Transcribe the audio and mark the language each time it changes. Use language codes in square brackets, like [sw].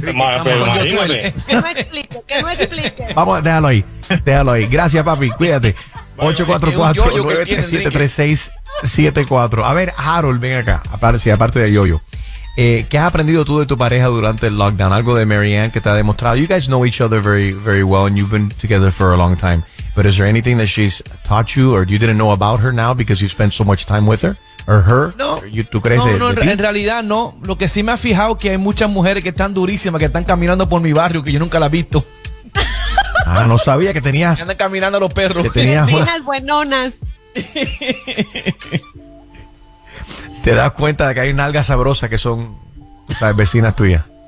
[es] Que no explique. Vamos, déjalo ahí. Gracias, papi. Cuídate. 844-937-3674. A ver, Harold, ven acá. Aparte de Yoyo. ¿Qué has aprendido tú de tu pareja durante el lockdown? Algo de Marianne que te ha demostrado. [en] You guys know each other very, very well, and you've been together for a long time. But is there anything that she's taught you or you didn't know about her now because you spent so much time with her? Or her? [es] No, ¿tú crees no en realidad no. Lo que sí me ha fijado es que hay muchas mujeres que están durísimas, que están caminando por mi barrio, que yo nunca las he visto. Ah, no sabía que tenías. Andan caminando los perros. Que tenías unas buenonas. Te das cuenta de que hay una alga sabrosa que son, ¿sabes?, vecinas tuyas.